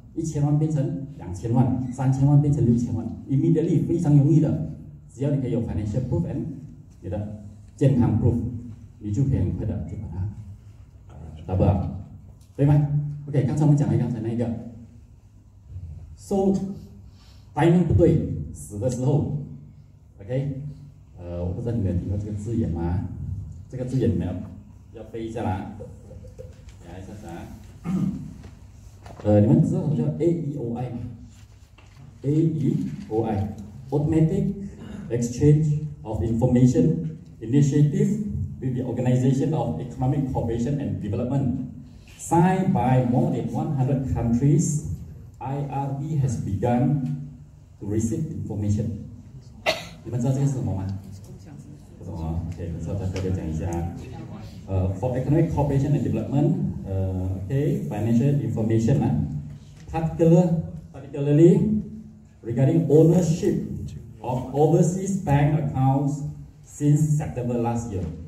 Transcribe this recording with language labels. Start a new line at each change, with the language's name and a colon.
Chinese: 1000万变成2000万，3000万变成6000万 ，immediately 非常容易的，只要你可以有
English: financial proof and
Chinese: 你的健康 proof， 你就可以很快的去把它 double up， 对吗 ？OK， 刚才我们讲了刚才那个 ，
English: so timing
Chinese: 不对，死的时候 ，OK， 我不知道你们有听过这个字眼吗？这个字眼你们要背一下啦，等一下啥？你们知道什么叫 AEOI 吗
English: ？AEOI， Automatic Exchange of Information Initiative with the Organization of Economic Cooperation and Development, signed by more than 100 countries, IRB has begun to receive information.
Chinese: 你们知道这个是什么吗？不懂啊 ，OK， 稍等，大家讲一下。
English: For economic cooperation and development, okay, financial information, particularly regarding ownership of overseas bank accounts since September last year.